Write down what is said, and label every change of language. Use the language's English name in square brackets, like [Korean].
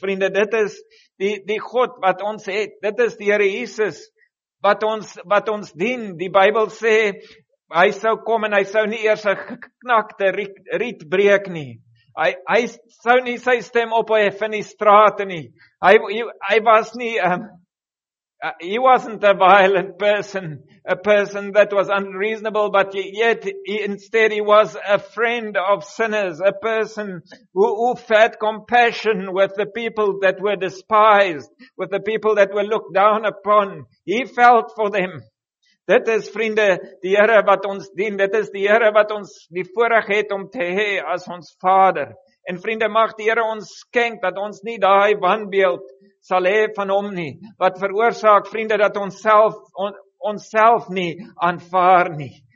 [Afrikaans] Vriende, dit is die God wat ons het. Dit is die Here Jesus wat ons dien. Die Bybel sê hy sou kom en hy sou nie eers 'n geknakte riet breek nie. Hy sou nie sy stem ophef in die strate nie. Hy was nie [English] he wasn't a violent person, a person that was unreasonable, but yet instead he was a friend of sinners, a person who felt compassion with the people that were despised, with the people that were looked down upon. He felt for them. [Afrikaans] Dit is, vriende, die Here wat ons dien. Dit is die Here wat ons die voorreg het om te hê as ons Vader. En vriende, mag die Here ons skenk dat ons nie daai wanbeeld sal hê van hom nie, wat veroorsaak, vriende, dat ons self nie aanvaar nie.